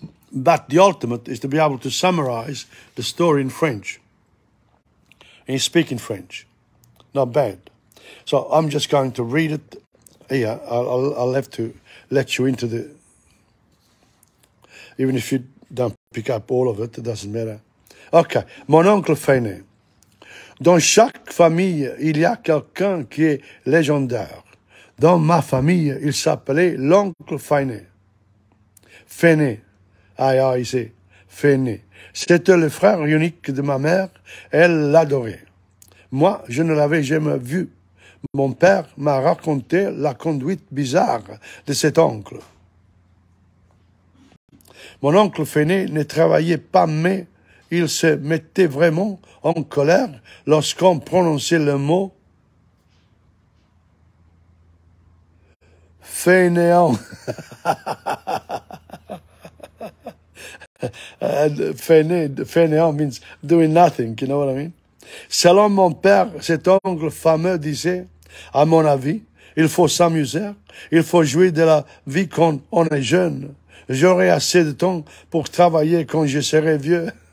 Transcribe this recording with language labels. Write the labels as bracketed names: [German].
[English] But the ultimate is to be able to summarize the story in French, and you speak in French. Not bad. So I'm just going to read it here. I'll have to let you into the. Even if you don't pick up all of it, it doesn't matter. [French] Okay, mon oncle Fainé. Dans chaque famille, il y a quelqu'un qui est légendaire. Dans ma famille, il s'appelait l'oncle Fainé. Fainé, A-I-C, Fainé. C'était le frère unique de ma mère. Elle l'adorait. Moi, je ne l'avais jamais vu. Mon père m'a raconté la conduite bizarre de cet oncle. Mon oncle Fainé ne travaillait pas, mais il se mettait vraiment en colère lorsqu'on prononçait le mot fainéant. [English] Fainéant means doing nothing, you know what I mean? [French] Selon mon père, cet oncle fameux disait, à mon avis, il faut s'amuser, il faut jouer de la vie quand on est jeune. J'aurai assez de temps pour travailler quand je serai vieux.